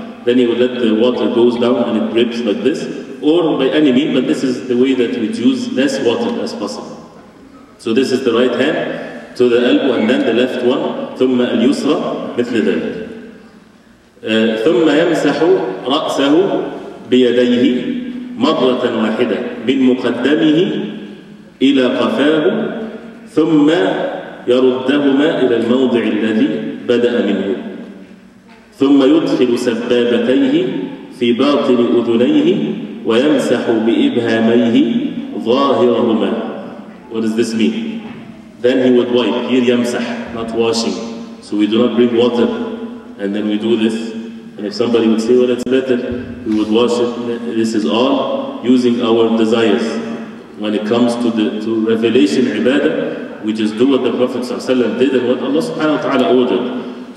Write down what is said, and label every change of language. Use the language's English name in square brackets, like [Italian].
[English] Then he would let the water goes down and it drips like this, or by any means, but this is the way that we use less water as possible. So this is the right hand to the elbow and then the left one [Arabic] ثم اليسرى مثل ذلك. ثم يمسح رأسه بيديه مرة واحدة من مقدمه إلى قفاه ثم يردهما إلى الموضع الذي بدأ منه ثم يدخل سبابتيه في باطن أذنيه ويمسح بإبهاميه ظاهرهما. [English] What does this mean? Then he would wipe. Here يمسح, not washing. So we do not bring water and then we do this. And if somebody would say, well, it's better, we would wash it. This is all using our desires. When it comes to to revelation, ibadah, we just do what the Prophet ﷺ did and what Allah subhanahu wa ta'ala ordered.